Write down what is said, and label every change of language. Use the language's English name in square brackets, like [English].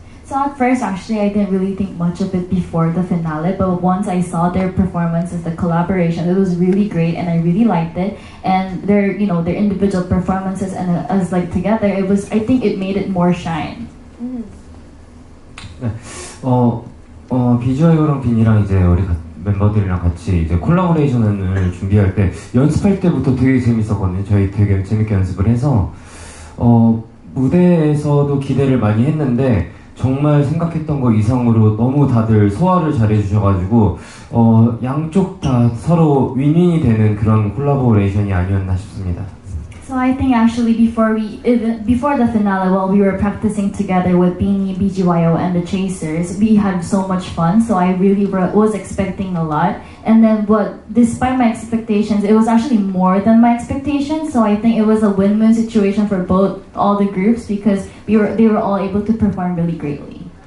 [English] So at first, actually, I didn't really think much of it before the finale, but once I saw their performances, the collaboration, it was really great, and I really liked it. And their, you know, their individual performances and as like together, it was. I think it made it more shine. Mm. 네. [Korean] 비주얼이랑 빈이랑 이제 우리 멤버들이랑 같이 이제 콜라보레이션을 준비할 때 연습할 때부터 되게 재밌었거든요. 저희 되게 재밌게 연습을 해서 무대에서도 기대를 많이 했는데 정말 생각했던 거 이상으로 너무 다들 소화를 잘 해주셔가지고 양쪽 다 서로 윈윈이 되는 그런 콜라보레이션이 아니었나 싶습니다. [English] So I think actually before the finale, while we were practicing together with Bini, BGYO, and the Chasers, we had so much fun. So I really was expecting a lot. And then despite my expectations, it was actually more than my expectations. So I think it was a win-win situation for both all the groups because they were all able to perform really greatly.